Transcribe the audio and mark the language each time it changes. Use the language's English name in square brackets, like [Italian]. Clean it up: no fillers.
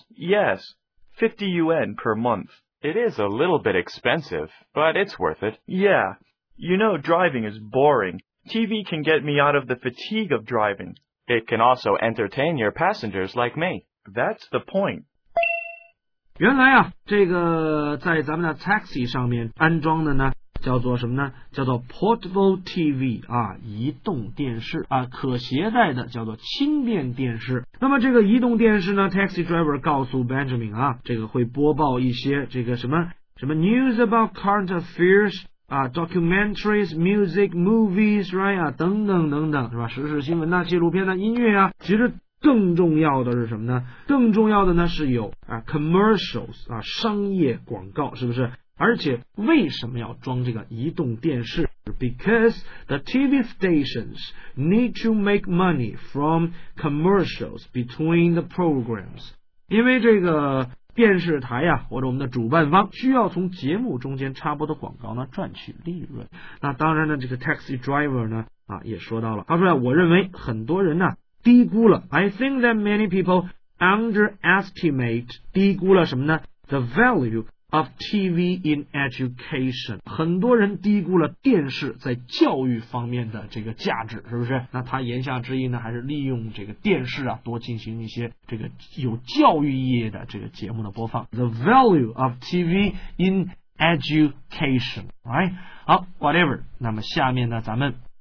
[English] Yes. 50 yuan per month. It is a little bit expensive, but it's worth it. Yeah. You know, driving is boring. TV can get me out of the fatigue of driving. It can also entertain your passengers like me. That's the point. [Chinese] 原来啊，这个在咱们的 taxi 上面安装的呢，叫做什么呢？叫做 portable TV 啊，移动电视啊，可携带的叫做轻便电视。那么这个移动电视呢 ，taxi driver 告诉 Benjamin 啊，这个会播报一些这个什么什么 [English] news about current affairs [Chinese] 啊 ， [English] documentaries, music, movies, right [Chinese] 啊，等等等等，是吧？时事新闻呐、啊，纪录片呐、啊，音乐啊，其实。更重要的是什么呢？更重要的呢是有啊 commercials 啊商业广告，是不是？而且为什么要装这个移动电视 ？ [English] Because the TV stations need to make money from commercials between the programs. [Chinese] 因为这个电视台呀、啊，或者我们的主办方需要从节目中间插播的广告呢赚取利润。那当然呢，这个 taxi driver 呢啊也说到了，他说呀、啊，我认为很多人呢、啊。低估了 [English] I think that many people underestimate [Chinese] 低估了什么呢 [English] The value of TV in education [Chinese] 很多人低估了电视在教育方面的这个价值是不是那他言下之意呢还是利用这个电视啊多进行一些这个有教育意义的这个节目的播放 [English] The value of TV in education right [Chinese] 好 whatever 那么下面呢咱们